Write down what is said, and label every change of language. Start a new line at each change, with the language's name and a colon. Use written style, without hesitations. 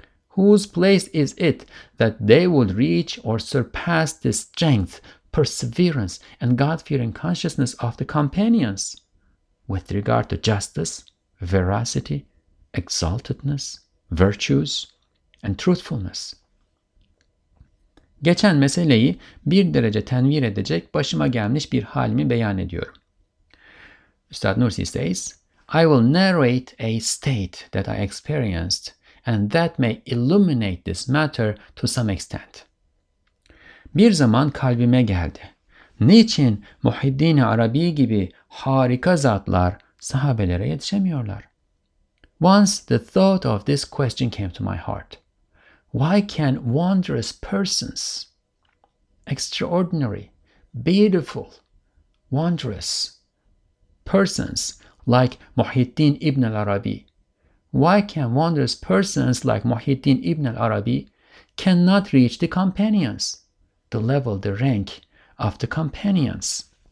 English: whose place is it that they would reach or surpass the strength, perseverance, and God-fearing consciousness of the companions with regard to justice, veracity, exaltedness, virtues, and truthfulness?
Turkish: Geçen meseleyi bir derece tenvir edecek başıma gelmiş bir halimi beyan ediyorum.
English: Üstad Nursi says, I will narrate a state that I experienced and that may illuminate this matter to some extent.
Turkish: Bir zaman kalbime geldi. Niçin Muhiddin-i Arabi gibi harika zatlar sahabelere yetişemiyorlar?
English: Once the thought of this question came to my heart. Why can wondrous persons, extraordinary, beautiful, wondrous persons like Muhiddin ibn al-Arabi, why can wondrous persons like Muhiddin ibn al-Arabi cannot reach the companions, the level, the rank of the companions?